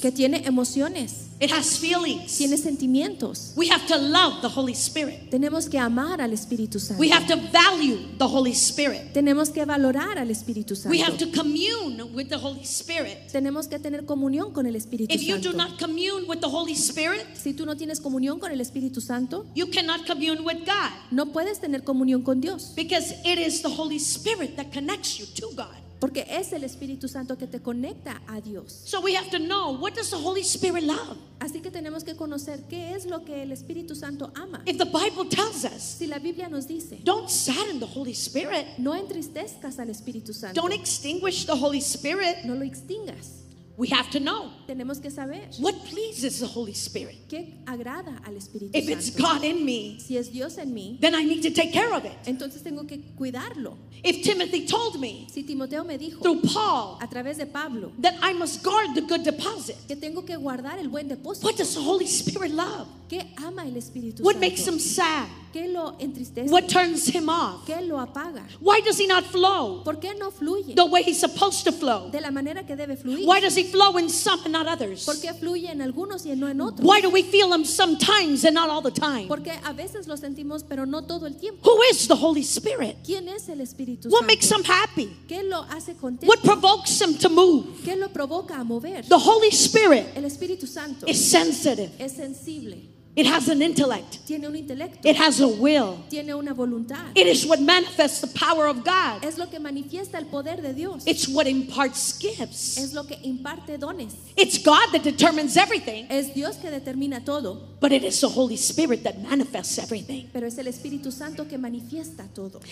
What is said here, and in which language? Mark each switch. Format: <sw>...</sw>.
<es>Que tiene emociones.</es> <en>It has feelings.</en> <es>Tiene sentimientos.</es> <en>We have to love the Holy Spirit.</en> <es>Tenemos que amar al Espíritu Santo.</es> <en>We have to value the Holy Spirit.</en> <es>Tenemos que valorar al Espíritu Santo.</es> <en>We have to commune with the Holy Spirit.</en> <es>Tenemos que tener comunión con el Espíritu</es> <en>If</en> <es>Santo.</es> <en>You do not commune with the Holy Spirit,</en> <es>si tú no tienes comunión con el Espíritu Santo,</es> <en>you cannot commune with God.</en> <es>No puedes tener comunión con Dios.</es> <en>Because it is the Holy Spirit that connects you to God.</en> <es>Porque es el Espíritu Santo que te conecta a Dios.</es> <en>So we have to know, what does the Holy Spirit love?</en> <es>Así que tenemos que conocer qué es lo que el Espíritu Santo ama.</es> <en>If the Bible tells us,</en> <es>si la Biblia nos dice,</es> <en>don't sadden the Holy Spirit.</en> <es>No entristezcas al Espíritu Santo.</es> <en>Don't extinguish the Holy Spirit.</en> <es>No lo extingas.</es> <en>We have to know.</en> <es>Tenemos que saber.</es> <en>What pleases the Holy Spirit?</en> <es>¿Qué agrada al Espíritu</es> <en>If</en> <es>Santo?</es> <en>It's God in me,</en> <es>si es Dios en mí,</es> <en>then I need to take care of it.</en> <es>Entonces tengo que cuidarlo.</es> <en>If Timothy told me,</en> <es>si Timoteo me dijo,</es> <en>through Paul,</en> <es>a través de Pablo,</es> <en>that I must guard the good deposit,</en> <es>que tengo que guardar el buen depósito,</es> <en>what does the Holy Spirit love?</en> <es>¿Qué ama el Espíritu</es> <en>what</en> <es>Santo?</es> <en>Makes him sad?</en> <es>¿Qué lo entristece?</es> <en>What turns him off?</en> <es>¿Qué lo apaga?</es> <en>Why does he not flow?</en> <es>¿Por qué no fluye?</es> <en>The way he's supposed to flow.</en> <es>De la manera que debe fluir.</es> <en>Why does he flow in some and not others?</en> <es>¿Por qué fluye en algunos y no en otros?</es> <en>Why do we feel him sometimes and not all the time?</en> <es>Porque a veces lo sentimos, pero no todo el tiempo.</es> <en>Who is the Holy Spirit?</en> <es>¿Quién es el Espíritu Santo?</es> <en>What makes him happy?</en> <es>¿Qué lo hace contento?</es> <en>What provokes him to move?</en> <es>¿Qué lo provoca a mover?</es> <en>The Holy Spirit</en> <es>el Espíritu Santo</es> <en>is sensitive.</en> <es>Es sensible.</es> <en>It has an intellect.</en> <es>Tiene un intelecto.</es> <en>It has a will.</en> <es>Tiene una voluntad.</es> <en>It is what manifests the power of God.</en> <es>Es lo que manifiesta el poder de Dios.</es> <en>It's what imparts gifts.</en> <es>Es lo que imparte dones.</es> <en>It's God that determines everything.</en> <es>Es Dios que determina todo.</es> <en>But it is the Holy Spirit that manifests everything.</en> <es>Pero es el Espíritu Santo que manifiesta todo.</es>